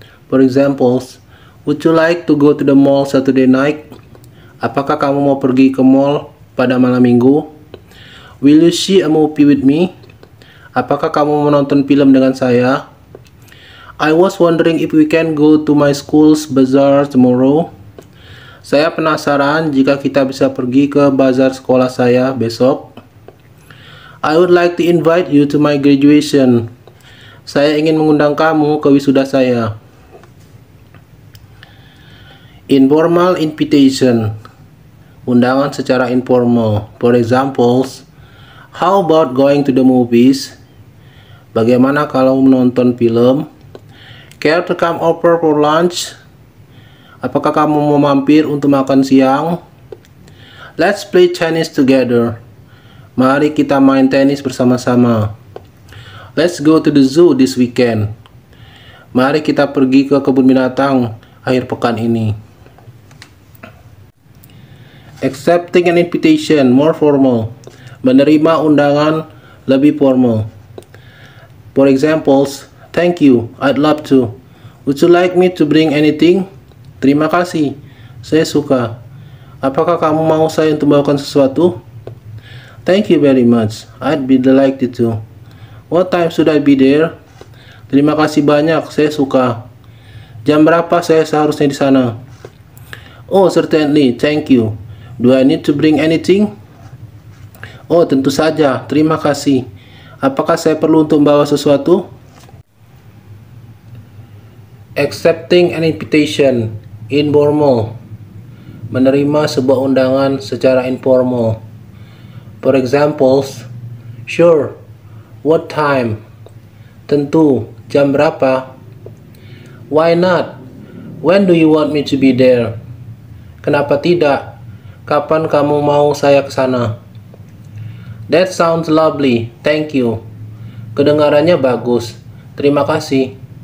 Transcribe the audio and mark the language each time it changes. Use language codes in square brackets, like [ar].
[en] For examples, would you like to go to the mall Saturday night? [id] Apakah kamu mau pergi ke mall pada malam minggu? [en] Will you see a movie with me? [id] Apakah kamu mau nonton film dengan saya? [en] I was wondering if we can go to my school's bazaar tomorrow. [id] Saya penasaran jika kita bisa pergi ke bazar sekolah saya besok. [en] I would like to invite you to my graduation. [id] Saya ingin mengundang kamu ke wisuda saya. [en] Informal invitation. [id] Undangan secara informal. [en] For examples, how about going to the movies? [id] Bagaimana kalau menonton film? [en] Care to come over for lunch? [id] Apakah kamu mau mampir untuk makan siang? [en] Let's play tennis together. [id] Mari kita main tenis bersama-sama. [en] Let's go to the zoo this weekend. [id] Mari kita pergi ke kebun binatang akhir pekan ini. [en] Accepting an invitation, more formal. [id] Menerima undangan, lebih formal. [en] For examples, thank you, I'd love to. Would you like me to bring anything? [id] Terima kasih, saya suka. Apakah kamu mau saya untuk bawakan sesuatu? [en] Thank you very much, I'd be delighted to. What time should I be there? [id] Terima kasih banyak, saya suka. Jam berapa saya seharusnya di sana? [en] Oh, certainly, thank you. Do I need to bring anything? [id] Oh, tentu saja, terima kasih. Apakah saya perlu untuk bawa sesuatu? [en] Accepting an invitation, informal. [id] Menerima sebuah undangan secara informal. [en] For examples, sure, what time? [id] Tentu, jam berapa? [en] Why not? When do you want me to be there? [id] Kenapa tidak? Kapan kamu mau saya ke sana? [en] That sounds lovely, thank you. [id] Kedengarannya bagus, terima kasih.